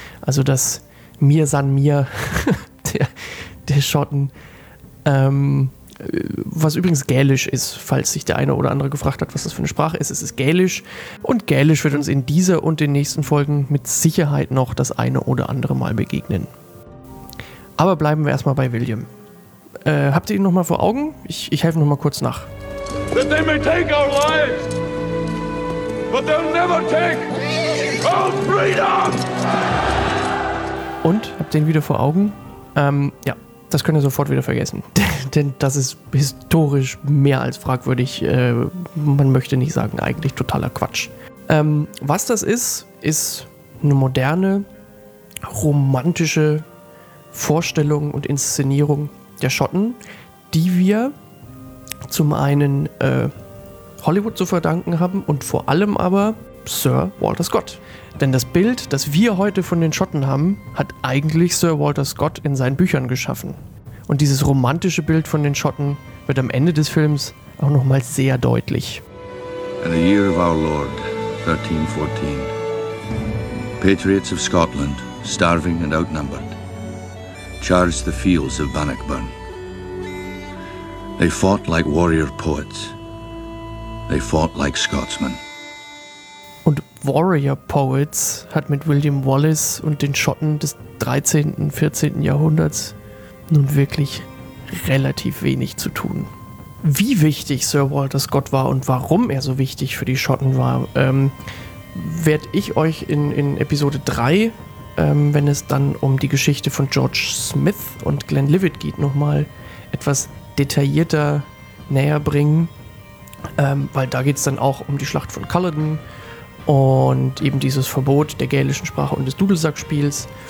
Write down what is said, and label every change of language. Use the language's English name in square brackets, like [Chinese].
[German] Also das Mir San Mir der Schotten, was übrigens Gälisch ist, falls sich der eine oder andere gefragt hat, was das für eine Sprache ist. Es ist Gälisch und Gälisch wird uns in dieser und den nächsten Folgen mit Sicherheit noch das eine oder andere Mal begegnen. Aber bleiben wir erstmal bei William. Habt ihr ihn nochmal vor Augen? Ich helfe nochmal kurz nach. [English] That they may take our lives, but they'll never take our freedom! [German] Und, habt ihr ihn wieder vor Augen? Ja, das könnt ihr sofort wieder vergessen. Denn das ist historisch mehr als fragwürdig. Man möchte nicht sagen, eigentlich totaler Quatsch. Was das ist, ist eine moderne, romantische Vorstellung und Inszenierung der Schotten, die wir zum einen Hollywood zu verdanken haben und vor allem aber Sir Walter Scott. Denn das Bild, das wir heute von den Schotten haben, hat eigentlich Sir Walter Scott in seinen Büchern geschaffen. Und dieses romantische Bild von den Schotten wird am Ende des Films auch nochmal sehr deutlich. [English] In the year of our Lord, 1314, Patriots of Scotland, starving and outnumbered, charged the fields of Bannockburn. They fought like warrior poets. They fought like Scotsmen. [German] Und Warrior Poets hat mit William Wallace und den Schotten des 13., 14. Jahrhunderts nun wirklich relativ wenig zu tun. Wie wichtig Sir Walter Scott war und warum er so wichtig für die Schotten war, werde ich euch in Episode 3, wenn es dann um die Geschichte von George Smith und Glenlivet geht, nochmal etwas detaillierter näher bringen, weil da geht es dann auch um die Schlacht von Culloden und eben dieses Verbot der gälischen Sprache und des Dudelsackspiels.